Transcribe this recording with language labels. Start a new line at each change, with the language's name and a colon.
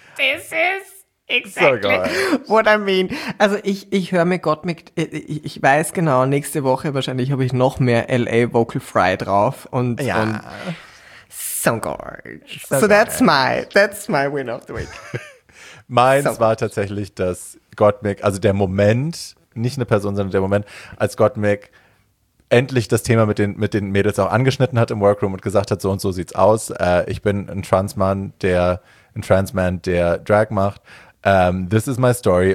English: This is exactly what I mean.
German: Also ich höre mir Gott mit, ich weiß genau, nächste Woche wahrscheinlich habe ich noch mehr LA Vocal Fry drauf. Und, ja. Und so gorge.
English: So that's my win of the week.
German: Meins so war tatsächlich, dass Gottmik, also der Moment, nicht eine Person, sondern der Moment, als Gottmik endlich das Thema mit den Mädels auch angeschnitten hat im Workroom und gesagt hat, so und so sieht's aus. Ich bin ein Transman, der Drag macht.
English: This is my story.